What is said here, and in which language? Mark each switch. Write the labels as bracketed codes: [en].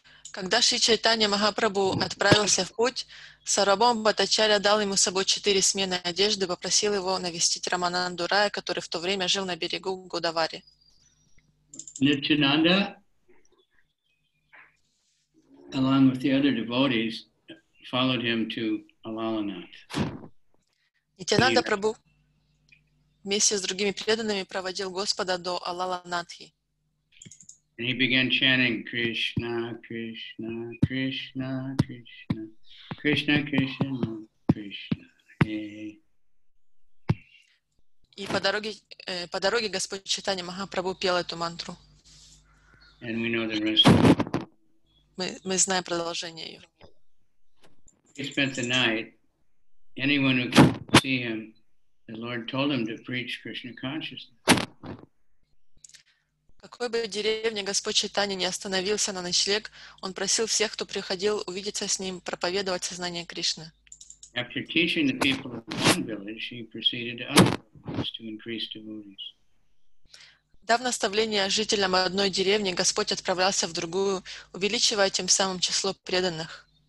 [ru] Когда Шри Чайтанья Махапрабху отправился в путь, Сарвабхаума Бхаттачарья дал ему с собой 4 смены одежды и попросил его навестить Рамананду Рая, который в то время жил на берегу Годавари. [en] Nityananda, along with the other devotees, followed him to Alalanath. [ru] Nityananda Прабху вместе с другими преданными проводил Господа до Алаланатхи. [en] And he began chanting Krishna, Krishna, Krishna, Krishna, Krishna, Krishna, Krishna, Krishna. Hey. [ru] И по дороге Господь Чайтанья Махапрабху пел эту мантру. [en] And we know the rest of it. [ru] Мы знаем продолжение ее. [en] He spent the night. Anyone who could see him, the Lord told him to preach Krishna consciousness. [ru] В какой бы деревне Господь Чайтанья не остановился на ночлег, он просил всех, кто приходил увидеться с ним, проповедовать сознание Кришны. [en] After teaching the people of one village, he proceeded to other villages to increase devotees. [ru] До наставления жителям одной деревни Господь отправлялся в другую, увеличивая тем самым число преданных.